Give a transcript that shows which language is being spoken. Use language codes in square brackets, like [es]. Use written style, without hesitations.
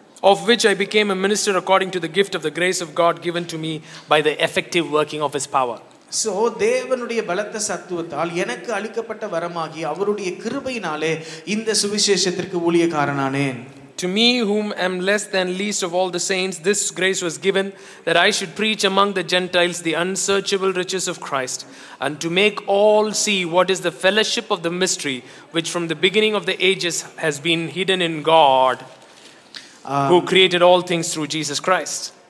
[en] Of which I became a minister according to the gift of the grace of God given to me by the effective working of his power. [ta] So தேவனுடைய பலத்த சத்துவத்தால் எனக்கு அளிக்கப்பட்ட வரமாகி அவருடைய கிருபையினாலே இந்த சுவிசேஷத்திற்கு ஊழியக்காரனானேன். [en] To me, whom am less than least of all the saints, this grace was given that I should preach among the Gentiles the unsearchable riches of Christ, and to make all see what is the fellowship of the mystery which from the beginning of the ages has been hidden in God, who created all things through Jesus Christ.